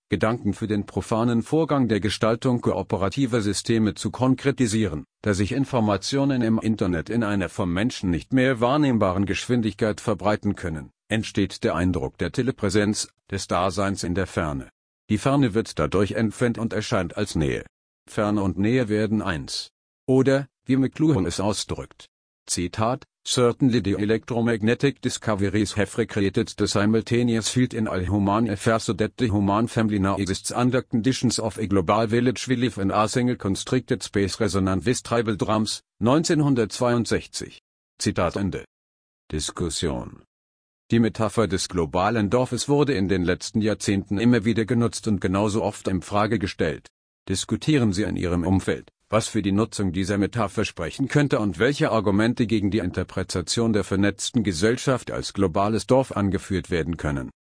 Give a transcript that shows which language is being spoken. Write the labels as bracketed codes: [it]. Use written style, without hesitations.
[de] Gedanken für den profanen Vorgang der Gestaltung kooperativer Systeme zu konkretisieren, da sich Informationen im Internet in einer vom Menschen nicht mehr wahrnehmbaren Geschwindigkeit verbreiten können, entsteht der Eindruck der Telepräsenz, des Daseins in der Ferne. Die Ferne wird dadurch entfernt und erscheint als Nähe. Ferne und Nähe werden eins. Oder, wie McLuhan es ausdrückt. Zitat: [en] Certainly the electromagnetic discoveries have recreated the simultaneous field in all human affairs so that the human family now exists under conditions of a global village we live in a single constricted space resonant with tribal drums, 1962. [de] Zitat Ende. Diskussion. Die Metapher des globalen Dorfes wurde in den letzten Jahrzehnten immer wieder genutzt und genauso oft in Frage gestellt. Diskutieren Sie in Ihrem Umfeld, was für die Nutzung dieser Metapher sprechen könnte und welche Argumente gegen die Interpretation der vernetzten Gesellschaft als globales Dorf angeführt werden können.